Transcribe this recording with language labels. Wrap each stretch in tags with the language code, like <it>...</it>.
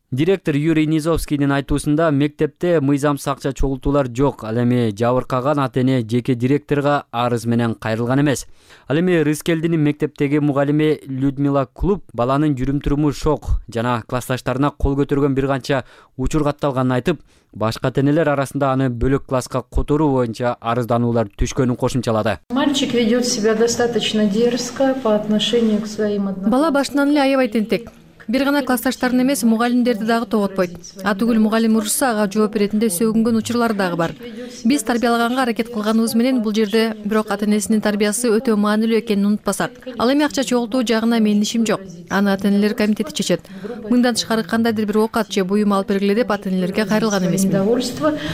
<ky>Директор Юрий Низовскийдин айтуусунда мектепте мыйзамсыз акча чогултуулар жок, ал эми жабыркаган ата-эне жеке директорго арыз менен кайрылган эмес. Ал эми Рыскелдинин мектептеги мугалими Людмила Клуб баланын жүрүм туруму шок жана классташтарына кол көтөргөн бир канча учур катталганын айтып, башка ата-энелер арасында аны бөлөк класска которуу боюнча арызданууларды түшкөнүн кошумчалады.</ky> <ru>Мальчик ведет себя достаточно дерзко по отношению к своим одноклассникам.</ru> <ky>Бала башынан эле аябай тентек. Бир гана классташтарын эмес, мугалимдерди дагы тоготпойт. Атүгүл мугалим урушса, ага жооп беретинде сөгүнгөн учурлар дагы бар. Биз тарбиялаганга аракет кылганыбыз менен бул жерде бирок ата-энесинин тарбиясы өтө маанилүү экенин унутпасак. Ал эми акча чогултуу жагына менин ишим жок. Аны ата-энелер комитети чечет. Мындан тышкары кандайдыр бир оокат же буюм алып бергиле деп ата-энелерге кайрылган эмесмин.</ky>